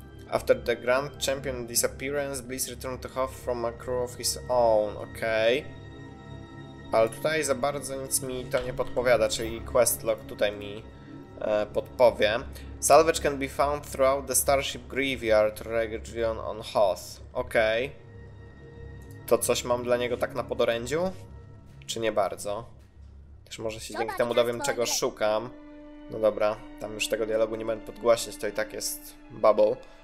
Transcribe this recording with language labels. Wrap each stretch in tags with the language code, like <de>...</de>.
<en>After the Grand Champion disappearance, Bliss returned to Hoth from a crew of his own.</en> <pl>Okej. Ale tutaj za bardzo nic mi to nie podpowiada, czyli questlog tutaj mi podpowie.</pl> <en>Salvage can be found throughout the Starship Graveyard region on Hoth.</en> <pl>Okej. To coś mam dla niego tak na podorędziu? Czy nie bardzo? Też może się dzięki temu dowiem, czego szukam. No dobra, tam już tego dialogu nie będę podgłaśniać, to i tak jest bubble.</pl>